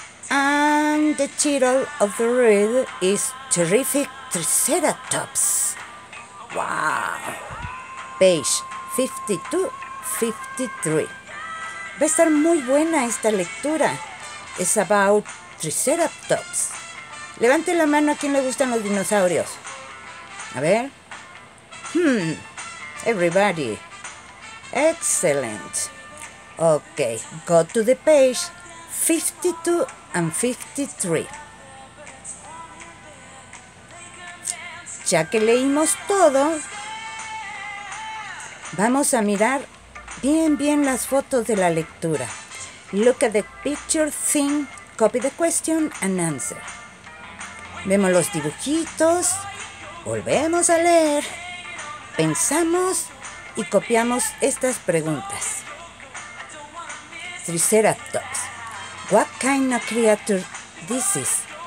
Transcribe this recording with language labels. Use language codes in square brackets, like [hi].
[en] And the title of the read is Terrific Tricetatops. Wow! Page 52-53. [es] Va a estar muy buena esta lectura. [en] It's about Tricetatops. [es] Levante la mano a quien le gustan los dinosaurios. A ver. [en] Everybody. Excellent. Okay, go to the page 52 and 53. [es] Ya que leímos todo, vamos a mirar bien bien las fotos de la lectura. [en] Look at the picture thing, copy the question and answer. [es] Vemos los dibujitos, volvemos a leer, pensamos y copiamos estas preguntas. [en] Triceratops. What kind of creature this is?